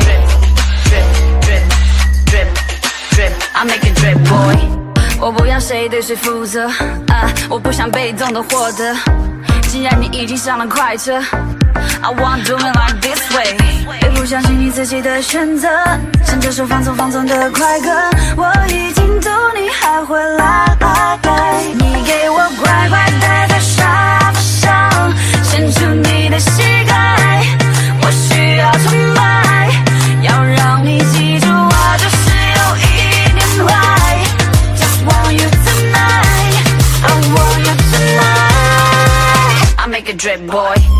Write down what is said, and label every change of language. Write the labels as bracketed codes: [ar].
[en] Drip, drip, drip, drip, drip. I make a drip boy. [zh] 我不要谁对谁负责，我不想被动的获得。既然你已经上了快车。 [en] I want to do it like this way. [zh] 别不相信你自己的选择，牵着手放纵放纵的快歌。我已经懂你还会来。你给我乖乖待在沙发上，伸出你的膝盖，我需要崇拜，要让你记住我就是有一点坏。 [en] Just want you tonight, I want you tonight. I make a drip boy.